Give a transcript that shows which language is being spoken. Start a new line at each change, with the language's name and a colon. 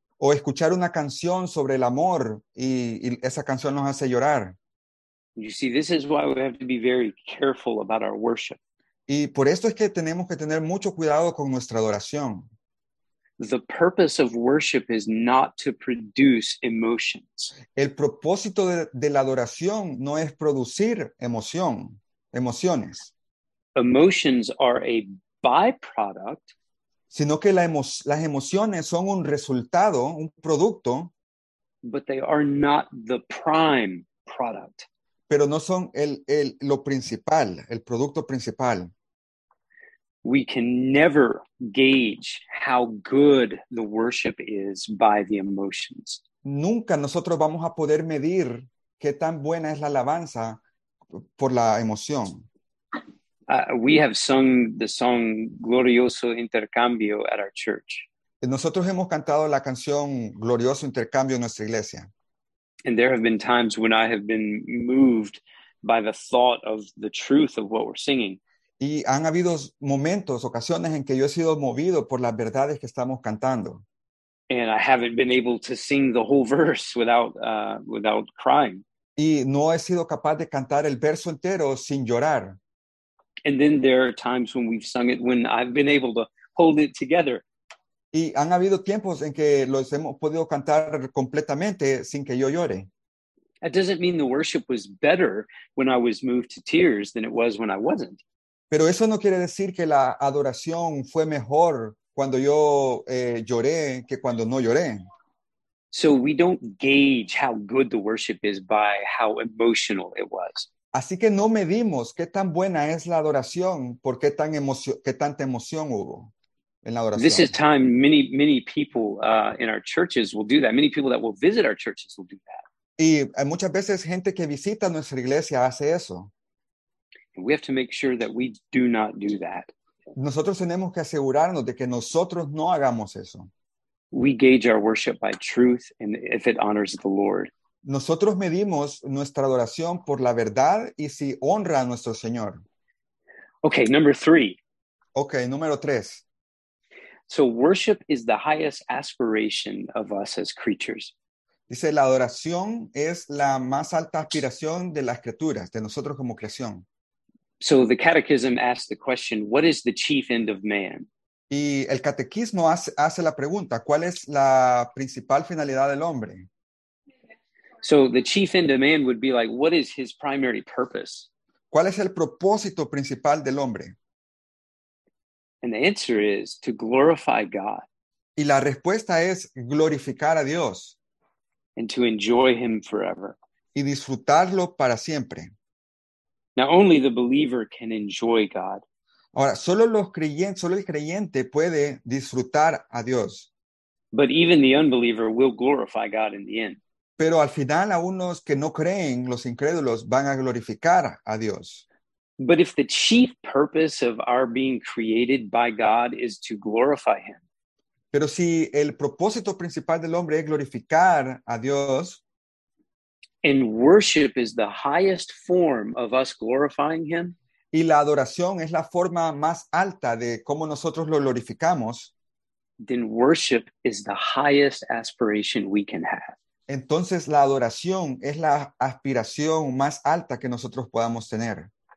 Spanish: O escuchar una canción sobre el amor y esa canción nos hace llorar.
English: You see, this is why we have to be very careful about our worship.
Spanish: Y por esto es que tenemos que tener mucho cuidado con nuestra adoración.
English: The purpose of worship is not to produce emotions.
Spanish: El propósito de la adoración no es producir emociones,
English: Emotions are a byproduct.
Spanish: sino que las emociones son un resultado, un producto,
English: But they are not the prime product.
Spanish: pero no son lo principal, el producto principal.
English: We can never gauge how good the worship is by the emotions.
Spanish: Nunca nosotros vamos a poder medir qué tan buena es la alabanza por la emoción.
English: We have sung the song Glorioso Intercambio at our church.
Spanish: Nosotros hemos cantado la canción Glorioso Intercambio en nuestra iglesia.
English: And there have been times when I have been moved by the thought of the truth of what we're singing.
Spanish: Y han habido momentos, ocasiones en que yo he sido movido por las verdades que estamos cantando.
English: And I haven't been able to sing the whole verse without crying.
Spanish: Y no he sido capaz de cantar el verso entero sin llorar.
English: And then there are times when we've sung it when I've been able to hold it together.
Spanish: Y han habido tiempos en que los hemos podido cantar completamente sin que yo llore.
English: That doesn't mean the worship was better when I was moved to tears than it was when I wasn't.
Spanish: Pero eso no quiere decir que la adoración fue mejor cuando yo lloré que cuando no lloré.
English: So we don't gauge how good the worship is by how emotional it was.
Spanish: Así que no medimos qué tan buena es la adoración por qué tanta emoción hubo en la
English: This is
Spanish: adoración.
English: time many many people in our churches will do that. Many people that will visit our churches will do that.
Spanish: Y muchas veces gente que visita nuestra iglesia hace eso.
English: We have to make sure that we do not do that.
Spanish: Nosotros tenemos que asegurarnos de que nosotros no hagamos eso.
English: We gauge our worship by truth and if it honors the Lord.
Spanish: Nosotros medimos nuestra adoración por la verdad y si honra a nuestro Señor.
English: Okay, number three.
Spanish: Okay, número tres.
English: So worship is the highest aspiration of us as creatures.
Spanish: Dice, la adoración es la más alta aspiración de las criaturas, de nosotros como creación.
English: So the catechism asks the question, what is the chief end of man?
Spanish: Y el catequismo hace la pregunta, ¿cuál es la principal finalidad del hombre?
English: So the chief end of man would be like, what is his primary purpose?
Spanish: ¿Cuál es el propósito principal del hombre?
English: And the answer is to glorify God.
Spanish: Y la respuesta es glorificar a Dios.
English: And to enjoy him forever.
Spanish: Y disfrutarlo para siempre.
English: Now only the believer can enjoy God.
Spanish: Ahora, solo el creyente puede disfrutar a Dios.
English: But even the unbeliever will glorify God in the end.
Spanish: Pero al final, a unos que no creen, los incrédulos, van a glorificar a Dios.
English: But if the chief purpose of our being created by God is to glorify him.
Spanish: Pero si el propósito principal del hombre es glorificar a Dios.
English: And worship is the highest form of us glorifying him.
Spanish: Y la adoración es la forma más alta de cómo nosotros lo glorificamos.
English: Then worship is the highest aspiration we can have.
Spanish: Entonces la adoración es la aspiración más alta que nosotros podamos tener.